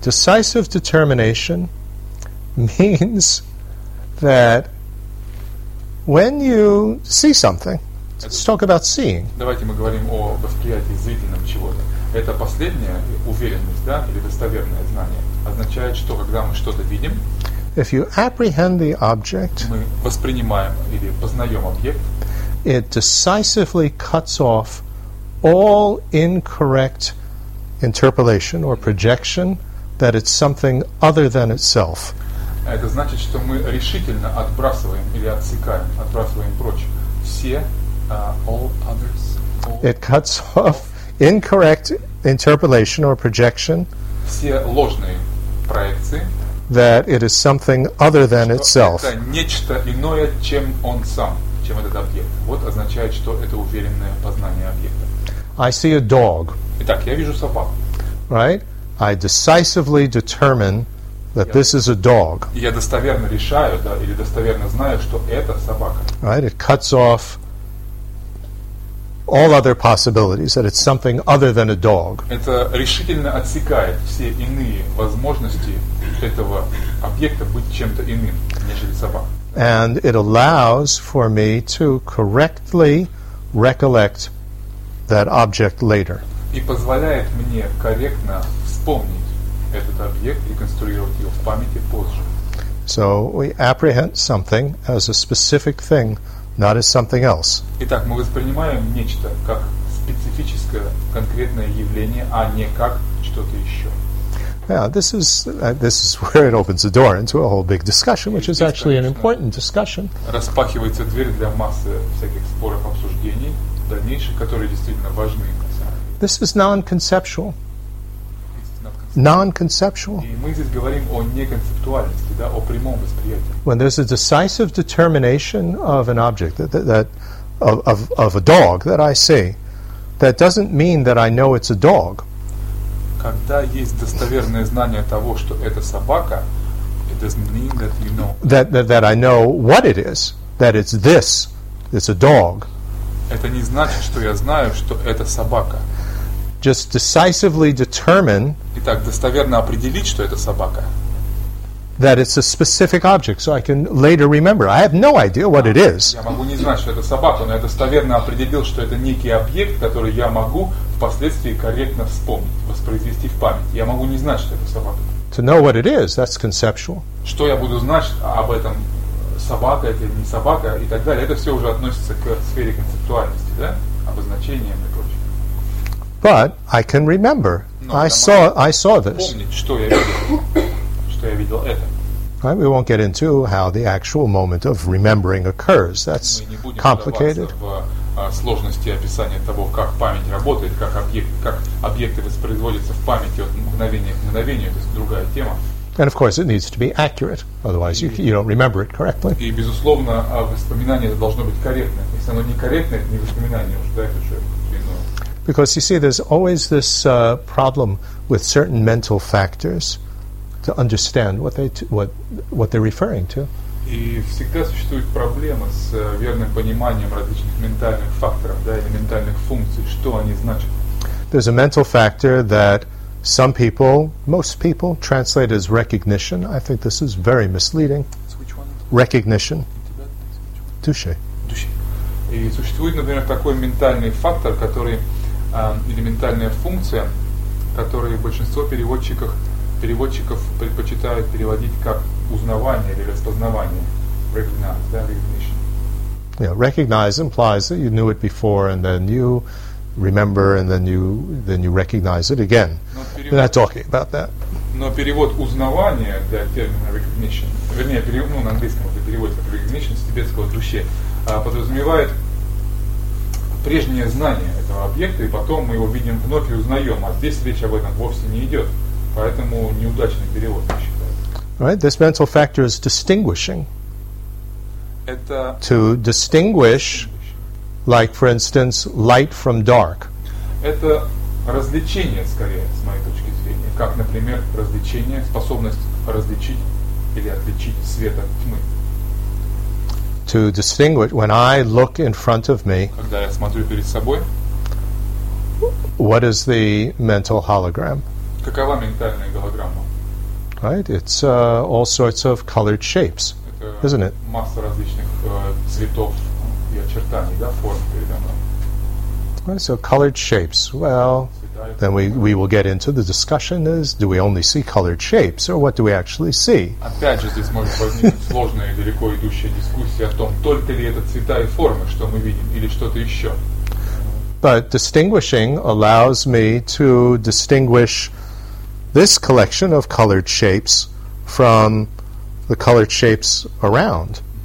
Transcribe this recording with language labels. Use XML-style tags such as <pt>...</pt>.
<en>Decisive determination means that when you see something, let's talk about seeing.</en> <ru>Давайте мы говорим о восприятии зрительном чего-то. Это последняя уверенность, да, или достоверное знание. Означает, что когда мы что-то видим,</ru> <en>if you apprehend the object,</en> <ru>мы воспринимаем или познаем объект,</ru> <en>it decisively cuts off all incorrect interpolation or projection that it's something other than itself.</en> <ru>Это значит, что мы решительно отбрасываем или отсекаем, отбрасываем прочь все</ru> <en>all others. It cuts off incorrect interpolation or projection.</en> <ru>Все ложные проекции.</ru> <en>That it is something other than itself.</en> <ru>Это нечто иное, чем он сам, чем этот объект. Вот означает, что это уверенное познание объекта.</ru> <en>I see a dog.</en> <ru>Итак, я вижу собаку.</ru> <en>Right? I decisively determine that this is a dog.</en> <ru>Я достоверно решаю, да, или достоверно знаю, что это собака.</ru> <en>Right? It cuts off all other possibilities, that it's something other than a dog.</en> <ru>Это решительно отсекает все иные возможности этого объекта быть чем-то иным, нежели собака.</ru> <en>And it allows for me to correctly recollect that object later.</en> <ru>И позволяет мне корректно вспомнить этот объект и конструировать его в памяти позже.</ru> <en>So we apprehend something as a specific thing, not as something else.</en> <ru>Итак, мы воспринимаем нечто как специфическое конкретное явление, а не как что-то еще.</ru> <en>Now, this is where it opens the door into a whole big discussion, which is actually an important discussion.</en> <ru>Распахивается дверь для массы всяких споров, обсуждений дальнейших, которые действительно важны.</ru> <en>This is non-conceptual. Non-conceptual.</en> <ru>И мы здесь говорим о неконцептуальности, да, о прямом восприятии.</ru> <en>When there's a decisive determination of an object, of a dog that I see, that doesn't mean that I know it's a dog.</en> <ru>Когда есть достоверное знание того, что это собака,</ru> <en>it doesn't mean that you know. That I know what it is, that it's this, it's a dog.</en> <ru>Это не значит, что я знаю, что это собака.</ru> <en>Just decisively determine.</en> <ru>Итак, достоверно определить, что это собака.</ru> <en>that it's a specific object, so I can later remember. I have no idea what it is.</en> <ru>Я могу не знать, что это собака, но я достоверно определил, что это некий объект, который я могу впоследствии корректно вспомнить, воспроизвести в память. Я могу не знать, что это собака.</ru> <en>To know what it is, that's conceptual.</en> <ru>Что я буду знать об этом, собака это или не собака и так далее, это все уже относится к сфере концептуальности, да, обозначениям и прочее.</ru> <en>But I can remember. I saw this.</en> <ru>Помнить, что я видел.</ru> <en>Right, we won't get into how the actual moment of remembering occurs. That's complicated.</en> <ru>Сложности описания того, как память работает, как объекты воспроизводятся в памяти от мгновения к мгновению, это другая тема.</ru> <en>And of course, it needs to be accurate, otherwise you don't remember it correctly.</en> <ru>И безусловно, воспоминание должно быть корректным. Если оно некорректное, это не воспоминание уже, да, это что?</ru> <en>Because you see, there's always this problem with certain mental factors to understand what they're referring to.</en> <ru>И всегда существует проблема с верным пониманием различных ментальных факторов, да, или ментальных функций, что они значат.</ru> <en>There's a mental factor that some people, most people, translate as recognition. I think this is very misleading. Which one? Recognition. Touché.</en> <ru>И существует, например, такой ментальный фактор, который или ментальная функция, которую большинство переводчиков предпочитают переводить как узнавание или распознавание.</ru> <en>Recognize, да, recognition. Yeah, recognize implies that you knew it before and then you remember and then you recognize it again. We're not talking about that.</en> <ru>Но перевод узнавания для термина recognition, вернее, перевод, ну, на английском это перевод как recognition, с тибетского «друще», подразумевает прежнее знание этого объекта, и потом мы его видим вновь и узнаем. А здесь речь об этом вовсе не идет. Поэтому неудачный перевод, я считаю.</ru> <en>Right, this mental factor is distinguishing.</en> <ru>Это</ru> <en>to distinguish, like, for instance, light from dark.</en> <ru>Это различение, скорее, с моей точки зрения. Как, например, различение, способность различить или отличить свет от тьмы.</ru> <en>To distinguish, when I look in front of me,</en> <ru>когда я смотрю перед собой,</ru> <en>what is the mental hologram?</en> <ru>Какова ментальная голограмма?</ru> <en>Right, it's all sorts of colored shapes,</en> <ru>это</ru> <en>isn't it?</en> <ru>Масса различных цветов и очертаний, да, форм передо мной.</ru> <en>Right, so colored shapes, well, then we will get into the discussion is, do we only see colored shapes, or what do we actually see?</en> <ru>Опять же, здесь может возникнуть сложная и далеко идущая дискуссия о том, только ли это цвета и формы, что мы видим, или что-то еще.</ru> <en>But distinguishing allows me to distinguish this collection of colored shapes from the colored shapes around.</en>